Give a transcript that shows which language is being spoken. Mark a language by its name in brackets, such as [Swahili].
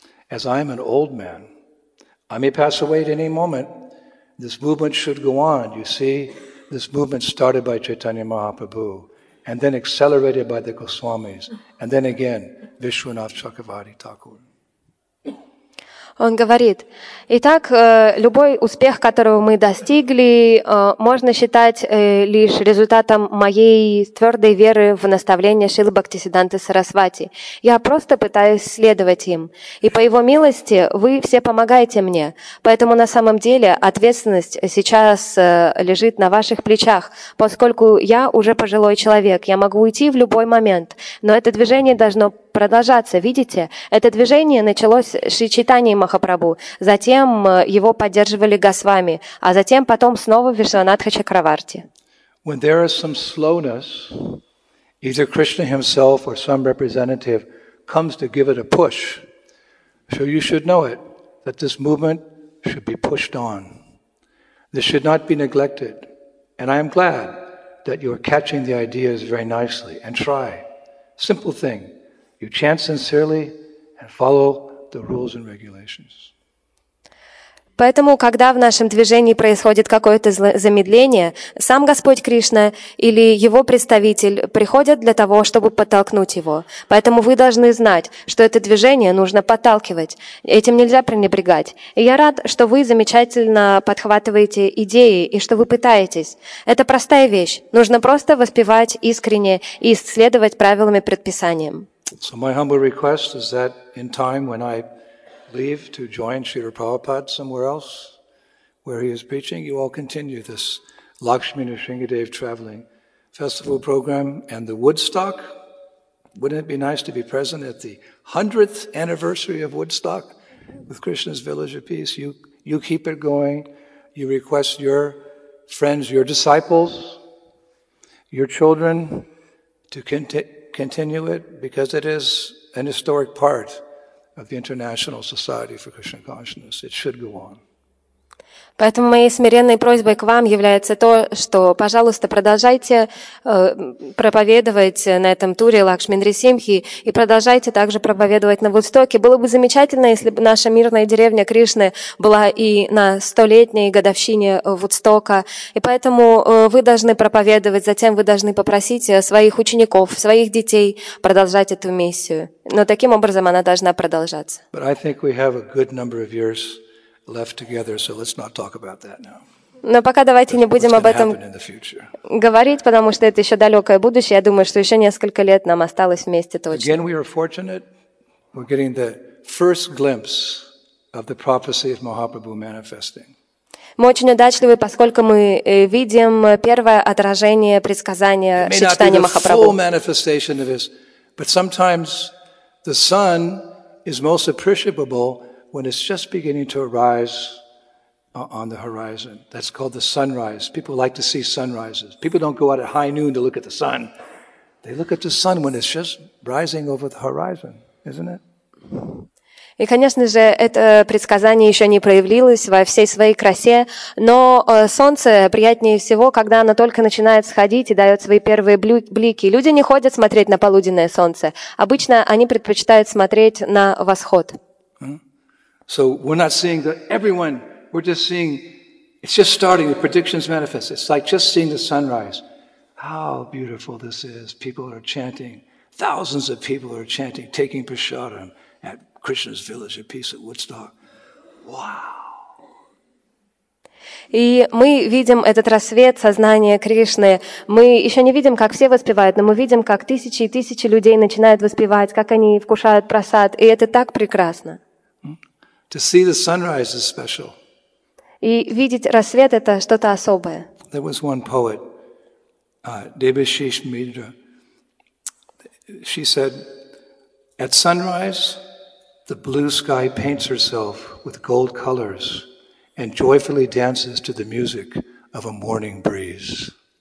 [English] As I am an old man, I may pass away at any moment. This movement should go on. You see, this movement started by Chaitanya Mahaprabhu, and then accelerated by the Goswamis, and then again, Vishwanath Chakravarti Thakur. [Russian] Он говорит, итак, любой успех, которого мы достигли, можно считать лишь результатом моей твердой веры в наставления Шрилы Бхактисиддханты Сарасвати. Я просто пытаюсь следовать им. И по его милости вы все помогаете мне. Поэтому на самом деле ответственность сейчас лежит на ваших плечах, поскольку я уже пожилой человек, я могу уйти в любой момент. Но это движение должно продолжаться. Видите, это движение началось с Чайтаньи Махапрабху, затем его поддерживали Госвами, а затем потом снова Вишванатха Чакраварти. [English] When there is some slowness, either Krishna himself or some representative comes to give it a push, so you should know it, that this movement should be pushed on. This should not be neglected. And I am glad that you are catching the ideas very nicely. And try. Simple thing. You chant sincerely and follow the rules and regulations. [Russian] Поэтому, когда в нашем движении происходит какое-то замедление, сам Господь Кришна или его представитель приходят для того, чтобы подтолкнуть его. Поэтому вы должны знать, что это движение нужно подталкивать. Этим нельзя пренебрегать. И я рад, что вы замечательно подхватываете идеи и что вы пытаетесь. Это простая вещь. Нужно просто воспевать искренне и следовать правилам и предписаниям. [English] So my humble request is that in time when I leave to join Śrīla Prabhupāda somewhere else where he is preaching, you all continue this Lakshmi Nrisimhadev traveling festival program and the Woodstock. Wouldn't it be nice to be present at the 100th anniversary of Woodstock with Krishna's Village of Peace? You keep it going. You request your friends, your disciples, your children to continue it, because it is an historic part of the International Society for Krishna Consciousness. It should go on. [Russian] Поэтому моей смиренной просьбой к вам является то, что, пожалуйста, продолжайте проповедовать на этом туре Лакшминдрисимхи и продолжайте также проповедовать на Вудстоке. Было бы замечательно, если бы наша мирная деревня Кришны была и на столетней годовщине Вудстока. И поэтому вы должны проповедовать, затем вы должны попросить своих учеников, своих детей продолжать эту миссию. Но таким образом она должна продолжаться. [English] But I think we have a good number of years left together, so let's not talk about that now. [Russian] Но пока давайте не будем об этом говорить, потому что это еще далекое будущее. Я думаю, что еще несколько лет нам осталось вместе точно. [English] Again, we are fortunate. We're getting the first glimpse of the prophecy of Mahaprabhu manifesting. [Russian] Мы очень удачливы, поскольку мы видим первое отражение предсказания Шри Чайтаньи Махапрабху. [English] Full manifestation of his, but sometimes the sun is most appreciable when it's just beginning to arise on the horizon. That's called the sunrise. People like to see sunrises. People don't go out at high noon to look at the sun. They look at the sun when it's just rising over the horizon, isn't it? [Russian] И, конечно же, это предсказание еще не проявилось во всей своей красе, но солнце приятнее всего, когда оно только начинает сходить и дает свои первые блики. Люди не ходят смотреть на полуденное солнце. Обычно они предпочитают смотреть на восход. [English] So we're not seeing that everyone, we're just seeing, it's just starting, the predictions manifest. It's like just seeing the sunrise. How beautiful this is. People are chanting, thousands of people are chanting, taking prasadam at Krishna's village of peace at Woodstock. Wow. [Russian] И мы видим этот рассвет сознания Кришны. Мы еще не видим, как все воспевают, но мы видим, как тысячи и тысячи людей начинают воспевать, как они вкушают прасад, и это так прекрасно. [English] To see the sunrise is special. [Russian] И видеть рассвет — это что-то особое. [English] There was one poet, Debashish Mitra. She said, "At sunrise, the blue sky paints herself with gold colors and joyfully dances to the music of a morning breeze."